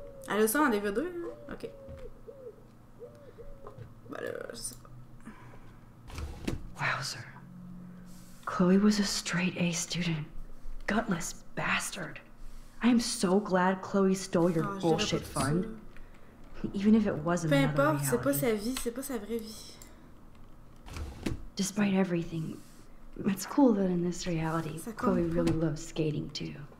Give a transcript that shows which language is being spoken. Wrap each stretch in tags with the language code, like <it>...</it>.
<fr>Elle a ça en DVD, hein? Ok. Ben là, je sais pas.</fr> <en>Wowzer. Chloe was a straight A student. Gutless bastard. I am so glad Chloe stole your bullshit fund. Even if it wasn't another reality.</en> <fr>Peu importe, c'est pas sa vie, c'est pas sa vraie vie.</fr> <en>Despite everything, it's cool that in this reality, Chloe really loves skating too.</en>